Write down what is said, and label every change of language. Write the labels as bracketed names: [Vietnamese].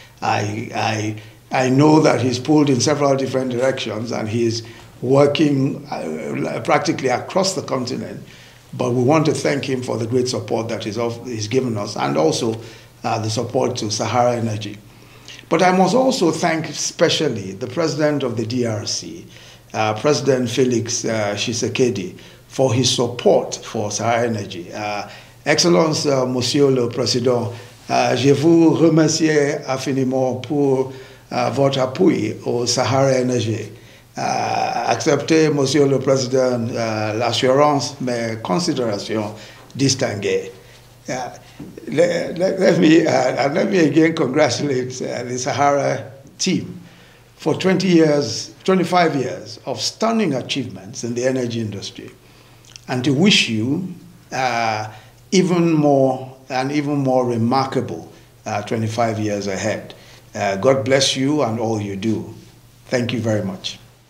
[English] I know that he's pulled in several different directions and he's working practically across the continent, but we want to thank him for the great support that he's given us and also the support to Sahara Energy. But I must also thank especially the president of the DRC, President Felix Tshisekedi, for his support for Sahara Energy. [French] Excellence, Monsieur le Président, je vous remercie infiniment pour votre appui au Sahara Energy. Acceptez, Monsieur le Président, l'assurance, mais considération distinguée. [English] Let me again congratulate the Sahara team for 25 years of stunning achievements in the energy industry, and to wish you even more remarkable 25 years ahead. God bless you and all you do. Thank you very much.